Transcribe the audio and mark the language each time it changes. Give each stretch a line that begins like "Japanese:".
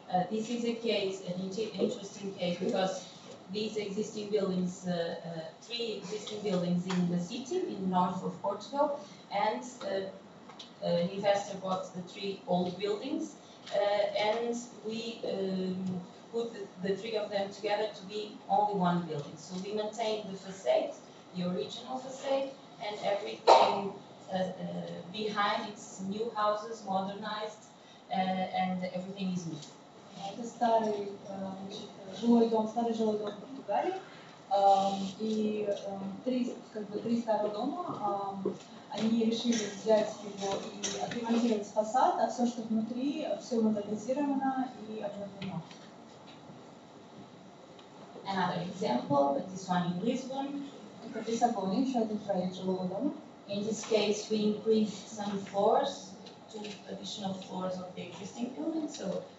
English: This is a case, an interesting case, because these existing buildings, three existing buildings in the city, in the north of Portugal, and an investor bought the three old buildings, and we put the three of them together to be only one building. So we maintain the facade, the original facade, and everything behind, it's new houses, modernized, and everything is new.
Russian: Это старый жилой дом, в Португалии, и три старых дома, они решили взять его и отремонтировать фасад, а все, что внутри, все модернизировано и обновлено.
English: Another example, but this one in Lisbon.
Russian: Это в Лиссабоне, еще один проект жилого дома.
English: In this case, we increased some floors, two additional floors of the existing building, so